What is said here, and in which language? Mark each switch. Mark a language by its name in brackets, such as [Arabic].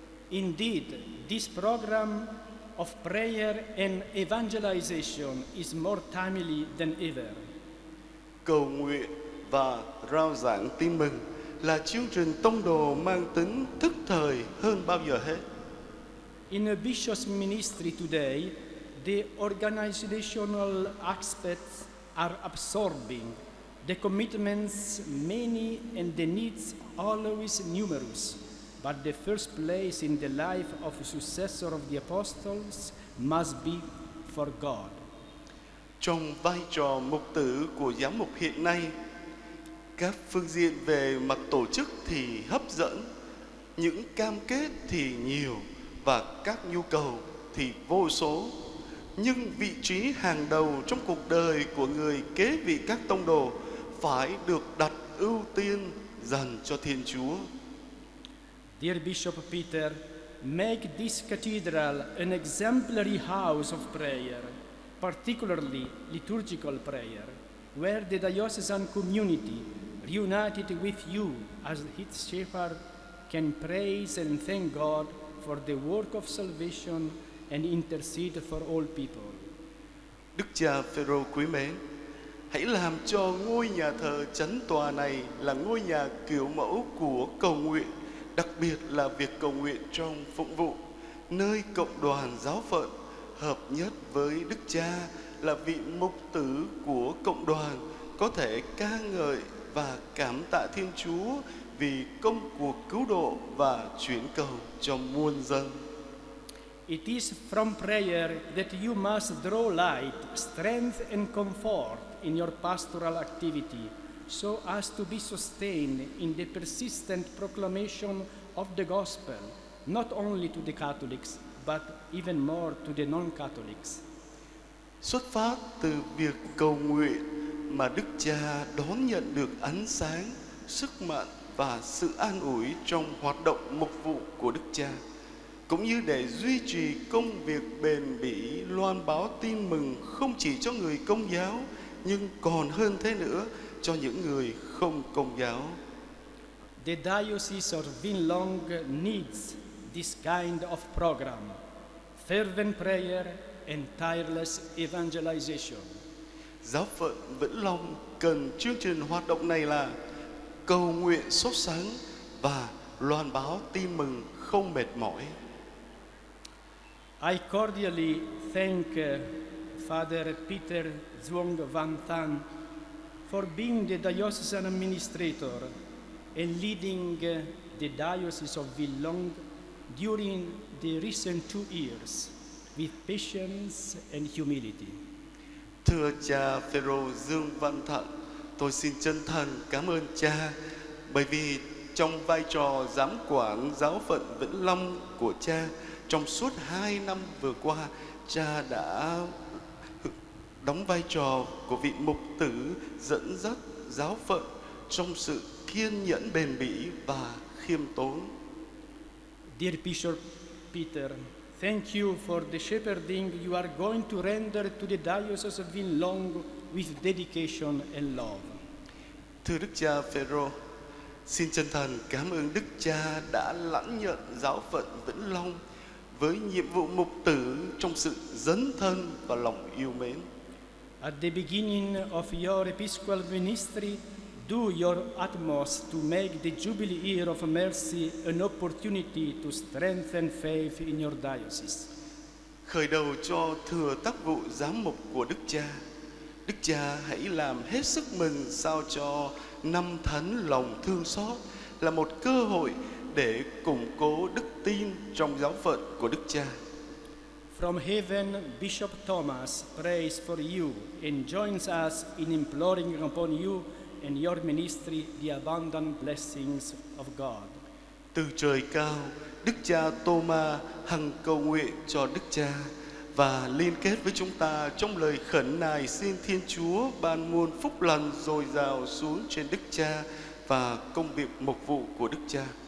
[English] Indeed, this program of prayer and evangelization is more timely than ever. [Vietnamese] Cầu nguyện và rao giảng tin mừng là chương trình tông đồ mang tính thức thời hơn bao giờ hết. [English] In a bishop's ministry today, the organizational aspects are absorbing, the commitments many and the needs always numerous. But the first place in the life of a successor of the apostles must be for God. [Vietnamese] Trong vai trò mục tử của giám mục hiện nay, các phương diện về mặt tổ chức thì hấp dẫn, những cam kết thì nhiều và các nhu cầu thì vô số. Nhưng vị trí hàng đầu trong cuộc đời của người kế vị các tông đồ phải được đặt ưu tiên dành cho Thiên Chúa. [English] Dear Bishop Peter, make this cathedral an exemplary house of prayer, particularly liturgical prayer, where the diocesan community, reunited with you as its shepherd, can praise and thank God for the work of salvation and intercede for all people. [Vietnamese] Đức cha Phêrô quý mến, hãy làm cho ngôi nhà thờ chánh tòa này là ngôi nhà kiểu mẫu của cầu nguyện, đặc biệt là việc cầu nguyện trong phụng vụ, nơi cộng đoàn giáo phận hợp nhất với Đức cha là vị mục tử của cộng đoàn có thể ca ngợi và cảm tạ Thiên Chúa vì công cuộc cứu độ và chuyển cầu cho muôn dân. [English] It is from prayer that you must draw light, strength and comfort in your pastoral activity, so as to be sustained in the persistent proclamation of the gospel, not only to the Catholics, but even more to the non-Catholics. [Vietnamese] Xuất phát từ việc cầu nguyện mà Đức Cha đón nhận được ánh sáng, sức mạnh và sự an ủi trong hoạt động mục vụ của Đức Cha, cũng như để duy trì công việc bền bỉ loan báo tin mừng không chỉ cho người Công giáo, nhưng còn hơn thế nữa cho những người không Công giáo. [English] The Diocese of Vinh Long needs this kind of program, fervent prayer and tireless evangelization. [Vietnamese] Giáo phận Vĩnh Long cần chương trình hoạt động này là cầu nguyện sốt sắng và loan báo tin mừng không mệt mỏi. [English] I cordially thank Father Peter Zhuang Van Than for being the diocesan administrator and leading the Diocese of Vinh Long during the recent 2 years with patience and humility. [Vietnamese] Thưa cha Phêrô Dương Văn Thận, tôi xin chân thành cảm ơn cha bởi vì trong vai trò giám quản giáo phận Vĩnh Long của cha, trong suốt 2 năm vừa qua, cha đã đóng vai trò của vị mục tử dẫn dắt giáo phận trong sự kiên nhẫn bền bỉ và khiêm tốn. [English] Dear Bishop Peter, thank you for the shepherding you are going to render to the Diocese of Vinh Long with dedication and love. [Vietnamese] Thưa Đức Cha Phêrô, xin chân thành cảm ơn Đức Cha đã lãnh nhận giáo phận Vĩnh Long với nhiệm vụ mục tử trong sự dấn thân và lòng yêu mến. [English] At the beginning of your episcopal ministry, do your utmost to make the Jubilee Year of Mercy an opportunity to strengthen faith in your diocese. [Vietnamese] Khởi đầu cho thừa tác vụ giám mục của Đức Cha, Đức Cha hãy làm hết sức mình sao cho năm thánh lòng thương xót là một cơ hội để củng cố đức tin trong giáo phận của Đức Cha. [English] From heaven, Bishop Thomas prays for you and joins us in imploring upon you and your ministry the abundant blessings of God. [Vietnamese] Từ trời cao, Đức Cha Thomas hằng cầu nguyện cho Đức Cha và liên kết với chúng ta trong lời khẩn nài xin Thiên Chúa ban muôn phúc lành dồi dào xuống trên Đức Cha và công việc mục vụ của Đức Cha.